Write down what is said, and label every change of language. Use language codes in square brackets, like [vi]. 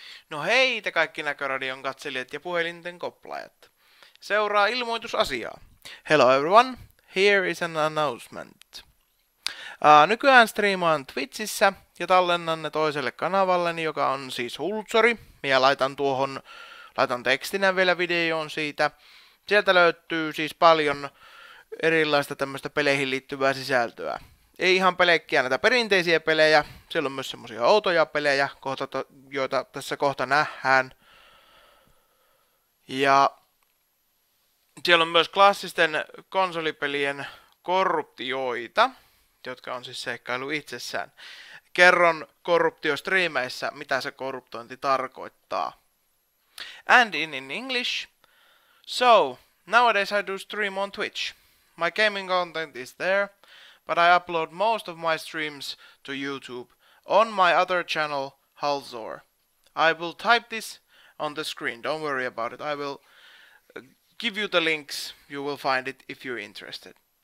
[fi] No hei te kaikki Näköradion katselijat ja puhelinten koplajat. Seuraa ilmoitus asiaa. [en] Hello everyone, here is an announcement. [fi] Nykyään striimaan Twitchissä ja tallennan ne toiselle kanavalleni, joka on siis Hultsori. Ja laitan tekstinä vielä videoon siitä. Sieltä löytyy siis paljon erilaista tämmöistä peleihin liittyvää sisältöä. Ei ihan pelkkiä näitä perinteisiä pelejä, siellä on myös semmosia outoja pelejä, joita tässä kohta nähdään. Ja siellä on myös klassisten konsolipelien korruptioita, jotka on siis seikkailu itsessään. Kerron korruptiostriimeissä, mitä se korruptointi tarkoittaa. [en] And in English. So, nowadays I do stream on Twitch. My gaming content is there. But I upload most of my streams to YouTube on my other channel, Hulzor. I will type this on the screen, don't worry about it. I will give you the links, you will find it if you're interested.